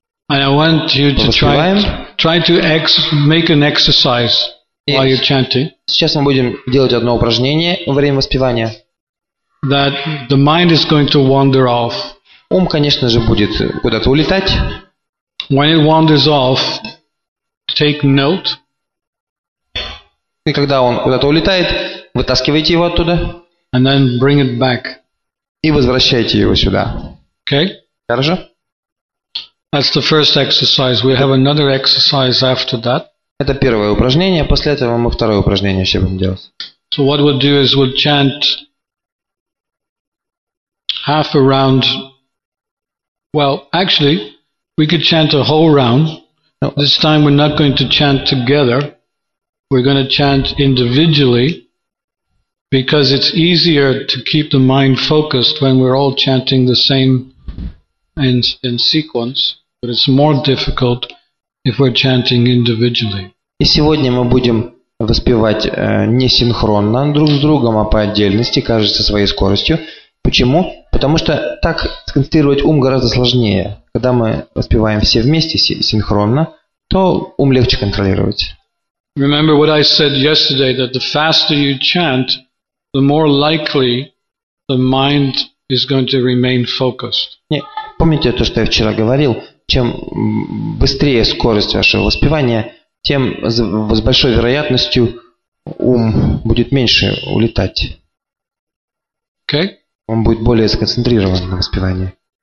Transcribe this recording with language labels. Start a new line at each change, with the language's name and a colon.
English: And I want you to try to make an exercise while you're chanting.
Russian: Сейчас мы будем делать одно упражнение во время воспевания.
English: That the mind is going to wander off.
Russian: Ум, конечно же, будет куда-то улетать.
English: When it wanders off, take note.
Russian: И когда он куда-то улетает, вытаскивайте его оттуда.
English: And then bring it back.
Russian: И возвращайте его сюда.
English: Okay.
Russian: Хорошо.
English: That's the first exercise. We have another exercise after that.
Russian: Это первое упражнение. После этого мы второе упражнение еще будем делать.
English: So what we'll do is we'll chant half a round. Well, actually, we could chant a whole round. No. This time we're not going to chant together. We're going to chant individually because it's easier to keep the mind focused when we're all chanting the same in sequence. But it's more difficult if we're chanting individually.
Russian: И сегодня мы будем воспевать не синхронно друг с другом, а по отдельности, каждый со своей скоростью. Почему? Потому что так сконцентрировать ум гораздо сложнее. Когда мы воспеваем все вместе синхронно, то ум легче контролировать.
English: Remember what I said yesterday, that the faster you chant, the more likely the mind is going to remain focused.
Russian: Нет, помните то, что я вчера говорил, чем быстрее скорость вашего воспевания, тем с большой вероятностью ум будет меньше улетать.
English: Okay.
Russian: Он будет более сконцентрирован на воспевании.